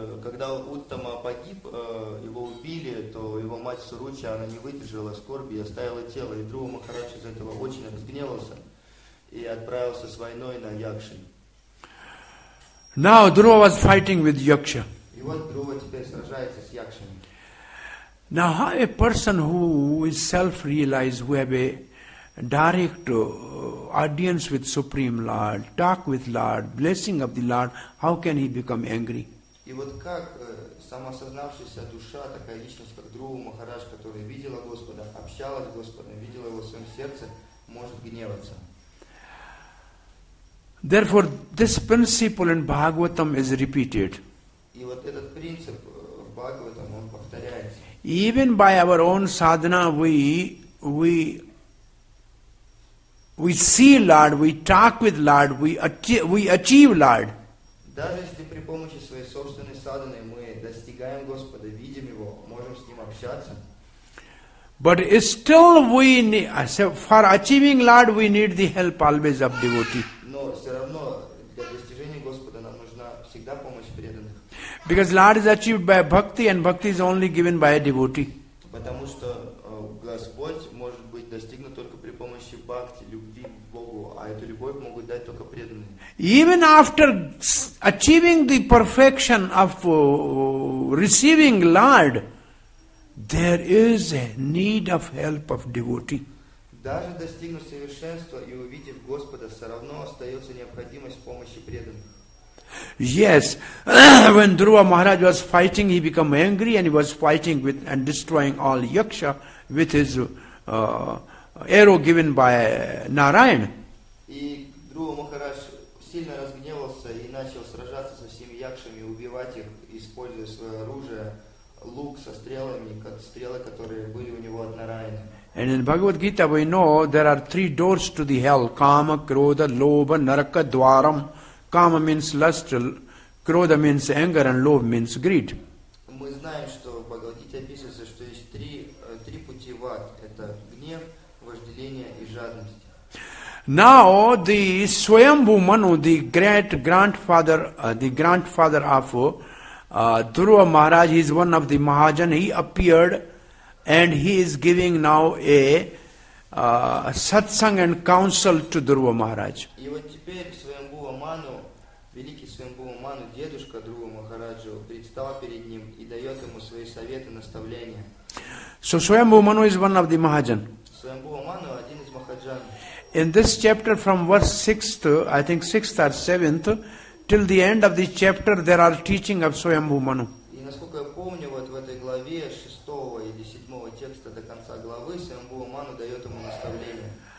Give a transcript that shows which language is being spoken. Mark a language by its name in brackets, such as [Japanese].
[Russian] Когда Уттама погиб, его убили, то его мать Суруча, она не выдержала скорби и оставила тело. И Dhruva Maharaj из-за этого очень разгневался и отправился с войной на Якши. [English] Now Dhruva was fighting with Yaksha. [Russian] И вот Dhruva теперь сражается с Якшами. [English] Now, how a person who is self-realized, who have a direct audience with Supreme Lord, talk with Lord, blessing of the Lord, how can he become angry? [Russian] И вот как самосознавшаяся душа, такая личность, как Dhruva Maharaj, которая видела Господа, общалась с Господом, видела его в своем сердце, может гневаться? [English] Therefore, this principle in Bhagavatam is repeated. [Russian] И вот этот принцип в Бхагаватам, он повторяется. [English] Even by our own sadhana, we see Lord, we talk with Lord, we achieve Lord. [Russian] Даже если при помощи своей собственной садханы мы достигаем Господа, видим его, можем с ним общаться. [English] But still, for achieving Lord, we need the help always of devotee. [Russian] Но все равно для достижения Господа нам нужна всегда помощь преданных. [English] Because Lord is achieved by bhakti, and bhakti is only given by a devotee. [Russian] Потому что Господь может быть достигнут только при помощи бхакти, любви к Богу, а эту любовь могут дать только преданные. [English] Even after achieving the perfection of receiving Lord, there is a need of help of devotee. [Russian] Даже достигнув совершенства и увидев Господа, все равно остается необходимость помощи преданных. [English] Yes, when Dhruva Maharaj was fighting, he became angry and he was fighting with and destroying all Yaksha with his arrow given by Narayan. [Russian] И Dhruva Maharaj сильно разгневался и начал сражаться со всеми Якшами, убивать их, используя свое оружие, лук со стрелами, стрелы, которые были у него от Нараяна. [English] And in Bhagavad Gita we know there are three doors to the hell: [Sanskrit] Kama, Krodha, Lobha, Naraka, Dwaram. [English] Kama means lust, krodha means anger, and lobha means greed. [Russian] Мы знаем, что в Бхагавад Гите описывается, что есть три пути в ад. Это гнев, вожделение и жадность. [English] Now the Swayambhu Manu, the great grandfather, Dhruva Maharaj, he is one of the Mahajan. He appeared, and he is giving now a satsang and counsel to Dhruva Maharaj. [Russian] И вот теперь Swayambhu Manu. Великий Свамбху Ману, дедушка Dhruva Maharaja, предстал перед ним и дает ему свои советы, наставления. [English] So Свамбху Ману is one of the Mahajan. [Russian] Свамбху Ману один из Mahajan. [English] In this chapter from verse 6th, I think 6th or 7th, till the end of the chapter, there are teaching of Свамбху Ману. [Russian] И насколько я помню, вот в этой главе 6 или 7 текста до конца главы, Свамбху Ману дает ему наставления.